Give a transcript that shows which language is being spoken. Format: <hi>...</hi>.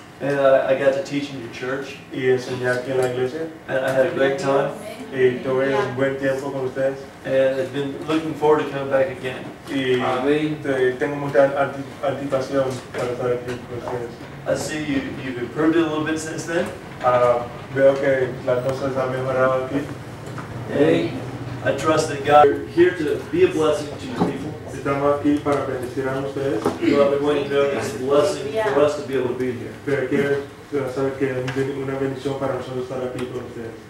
<en>And I got to teach in your church.</en> <es>Y enseñé aquí en la iglesia.</es> <en>And I had a great time.</en> <es>Y tuve un buen tiempo con ustedes.</es> <en>And I've been looking forward to coming back again.</en> <es>Y tengo mucha anticipación para estar aquí con ustedes.</es> <en>I see you've improved it a little bit since then.</en> <es>Veo que las cosas han mejorado aquí.</es> <en>Hey, I trust that God is here to be a blessing to your people.</en> <es>Estamos aquí para bendecir a ustedes.</es> <en>Well, we want you to know it's a blessing for us to be able to be here.</en> <es>Pero quiero saber que es una bendición para nosotros estar aquí con ustedes.</es>